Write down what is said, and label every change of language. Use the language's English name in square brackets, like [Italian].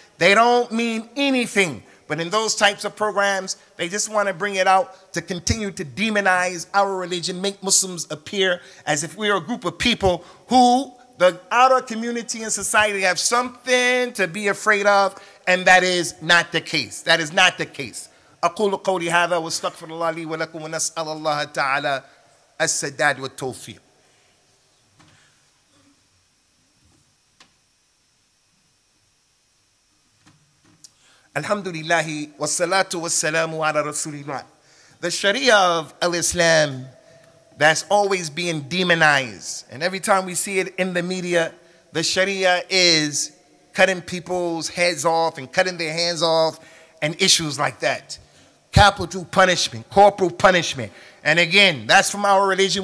[English] They don't mean anything. But in those types of programs, they just want to bring it out to continue to demonize our religion, make Muslims appear as if we are a group of people who the outer community and society have something to be afraid of, and that is not the case. That is not the case. [Arabic] أقول قولي هذا واستغفر الله لي ولكم ونسأل الله تعالى السداد والتوفيق. الحمد لله والصلاة والسلام على رسول الله. [English] The Sharia of Al-Islam that's always being demonized. And every time we see it in the media, the Sharia is cutting people's heads off and cutting their hands off and issues like that. Capital punishment, corporal punishment. And again, that's from our religion.